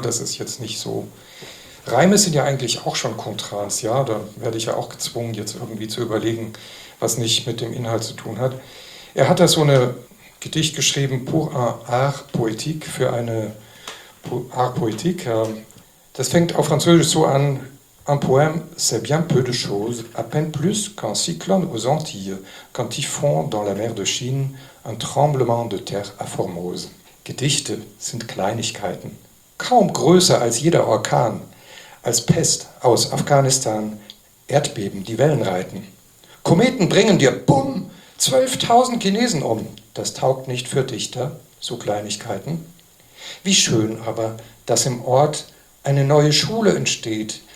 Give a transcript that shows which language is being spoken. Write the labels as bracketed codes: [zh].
[de] Das ist jetzt nicht so. Reime sind ja eigentlich auch schon Kontrast, ja. Da werde ich ja auch gezwungen, jetzt irgendwie zu überlegen, was nicht mit dem Inhalt zu tun hat. Er hat da so ein Gedicht geschrieben, [fr] Pour un art poétique, [de] für eine art poétique. Das fängt auf Französisch so an. [fr] Un poème, c'est bien peu de choses, à peine plus qu'un cyclone aux Antilles, qu'un typhon dans la mer de Chine, un tremblement de terre à Formose. [de] Gedichte sind Kleinigkeiten, kaum größer als jeder Orkan, als Pest aus Afghanistan, Erdbeben, die Wellen reiten. Kometen bringen dir, bumm, 12.000 Chinesen um. Das taugt nicht für Dichter, so Kleinigkeiten. Wie schön aber, dass im Ort eine neue Schule entsteht.